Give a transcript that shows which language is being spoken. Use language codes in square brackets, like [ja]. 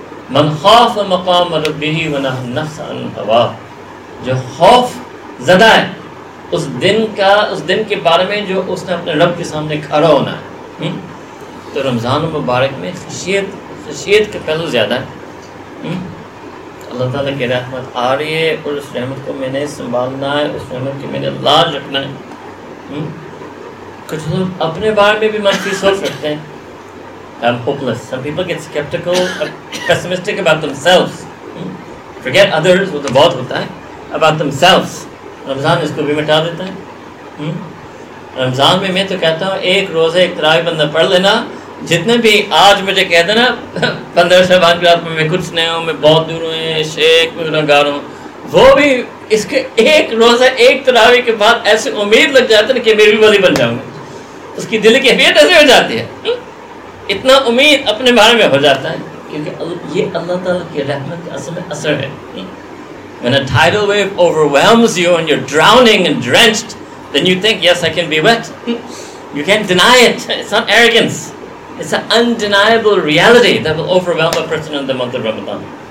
[ur] من خاف مقام ربه ونهى النفس عن الهوى، جو خوف زدہ ہے اس دن کے بارے میں جو اس نے اپنے رب کے سامنے کھڑا ہونا ہے، تو رمضان مبارک میں خشیت کا پہلو زیادہ ہے، اللہ تعالیٰ کی رحمت آ رہی ہے اور اس رحمت کو میں نے سنبھالنا ہے، اس رحمت کی میں نے لاج رکھنا ہے۔ کچھ لوگ اپنے بارے میں بھی منفی سوچ رکھتے ہیں، [en] I'm hopeless. Some people get skeptical or pessimistic about themselves. Forget others, [ur] وہ تو بہت ہوتا ہے، [en] about themselves, [ur] رمضان اس کو بھی مٹا دیتا ہے۔ رمضان میں تو کہتا ہوں ایک روزہ ایک تراوی بندہ پڑھ لینا، جتنے بھی آج مجھے کہہ دینا 15 شعبان کی رات میں میں کچھ نہیں ہوں، میں بہت دور ہوں، شیخ میں گناہ گار ہوں، وہ بھی اس کے ایک روزہ ایک تراوی کے بعد ایسی امید لگ جاتی ہے کہ میں بھی ولی بن جاؤں گا، اس کی دل کی حیثیت ایسی ہو جاتی ہے، اتنا امید اپنے بارے میں ہو جاتا ہے، کیونکہ یہ اللہ تعالیٰ کی رحمت کا اصل اثر ہے۔ [en] When a tidal wave overwhelms you and you're drowning and drenched, then you think, yes, I can be wet. You can't deny it. It's not arrogance. It's an undeniable reality that will overwhelm a person in the month of Ramadan.